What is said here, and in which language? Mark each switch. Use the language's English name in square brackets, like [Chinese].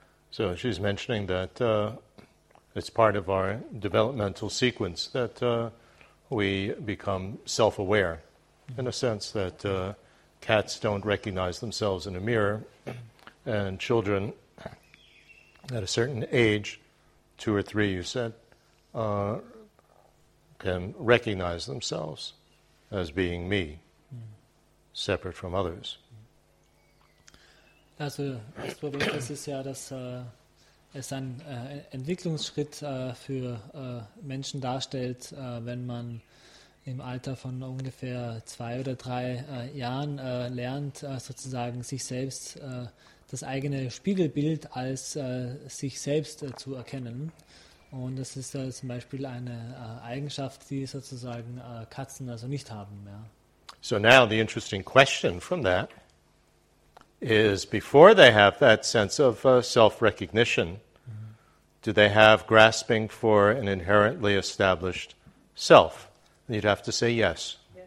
[English] So she's mentioning that it's part of our developmental sequence that we become self-aware, in a sense that cats don't recognize themselves in a mirror, and children at a certain age, 2 or 3, you said, can recognize themselves as being me, separate from others. [German] Also das Problem ist, ist ja, dass es ein Entwicklungsschritt für Menschen darstellt, wenn man im Alter von ungefähr 2 oder 3 Jahren lernt, sozusagen sich selbst, das eigene Spiegelbild als sich selbst zu erkennen. Und das ist zum Beispiel eine Eigenschaft, die sozusagen Katzen also nicht haben. Ja. [English] So now the interesting question from that is, before they have that sense of self-recognition, do they have grasping for an inherently established self? And you'd have to say yes.